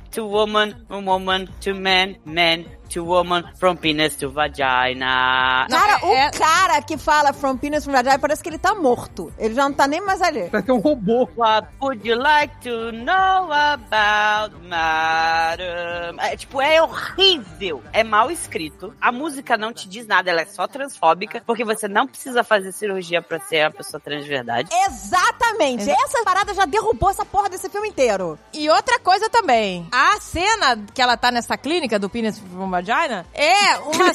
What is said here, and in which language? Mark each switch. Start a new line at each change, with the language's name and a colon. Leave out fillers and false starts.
English: To woman, woman to man, man to woman, from penis to vagina.
Portuguese: Cara, cara que fala
English: from penis to vagina
Portuguese: parece que ele tá morto. Ele já não tá nem mais ali. Parece que é um robô.
English: What would you like to know about, madam?
Portuguese: É, tipo, é horrível. É mal escrito. A música não te diz nada, ela é só transfóbica, porque você não precisa fazer cirurgia pra ser uma pessoa trans de verdade. Exatamente. Essa parada já derrubou essa porra desse filme inteiro. E outra coisa também. A cena que ela tá nessa clínica do
English: penis from vagina?
Portuguese: É uma